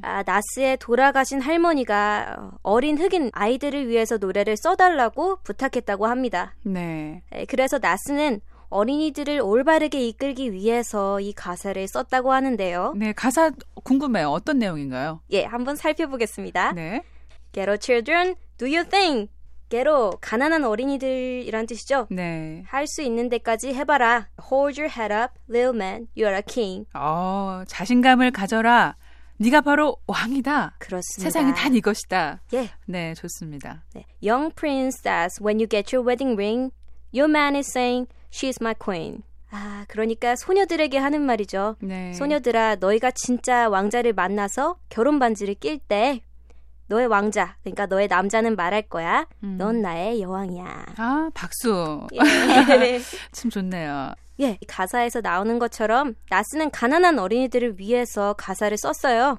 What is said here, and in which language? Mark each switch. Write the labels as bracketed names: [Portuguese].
[Korean] 아, 나스의 돌아가신 할머니가 어린 흑인 아이들을 위해서 노래를 써달라고 부탁했다고 합니다. 네. 그래서 나스는 어린이들을 올바르게 이끌기 위해서 이 가사를 썼다고 하는데요. 네, 가사 궁금해요. 어떤 내용인가요? 예, 한번 살펴보겠습니다. 네. [English] Ghetto children, do you think? [Korean] Ghetto, 가난한 어린이들이란 뜻이죠? 네. 할 수 있는 데까지 해봐라. [English] Hold your head up, little man, you are a king. [Korean] 자신감을 가져라. 네가 바로 왕이다. 그렇습니다. 세상이 단 이것이다. 예. 네, 좋습니다. 네. [English] Young princess, when you get your wedding ring, your man is saying, She's my queen. [Korean] 아, 그러니까 소녀들에게 하는 말이죠. 네. 소녀들아, 너희가 진짜 왕자를 만나서 결혼 반지를 낄 때 너의 왕자, 그러니까 너의 남자는 말할 거야. 넌 나의 여왕이야. 아, 박수. 예. 참 좋네요. 예, 가사에서 나오는 것처럼 나스는 가난한 어린이들을 위해서 가사를 썼어요.